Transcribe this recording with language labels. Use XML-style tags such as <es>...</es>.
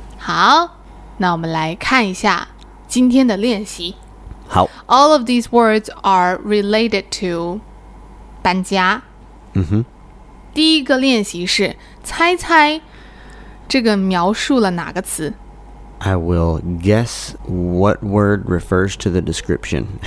<zh>好那我们来看一下今天的练习好</zh> <en>all of these words are related to 搬家嗯哼、mm-hmm.</en> <zh>第一个练习是猜猜这个描述了哪个词</zh> <en>I will guess what word refers to the description</en>